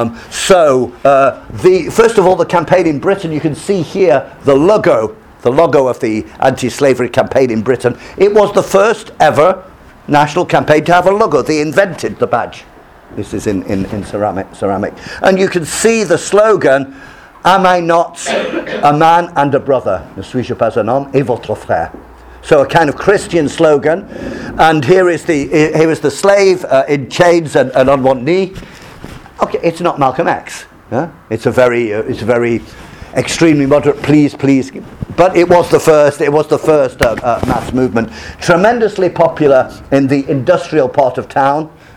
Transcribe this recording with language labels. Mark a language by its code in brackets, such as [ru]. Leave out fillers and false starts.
[en] So, first of all, the campaign in Britain, you can see here the logo of the anti-slavery campaign in Britain. It was the first ever national campaign to have a logo. They invented the badge. This is in ceramic. And you can see the slogan, am I not a man and a brother? [fr] Ne suis-je pas un homme et votre frère? [en] So a kind of Christian slogan. And here is the slave in chains and on one knee. Okay, it's not Malcolm X. Yeah? It's a very extremely moderate, please. But it was the first mass movement. Tremendously popular in the industrial part of town.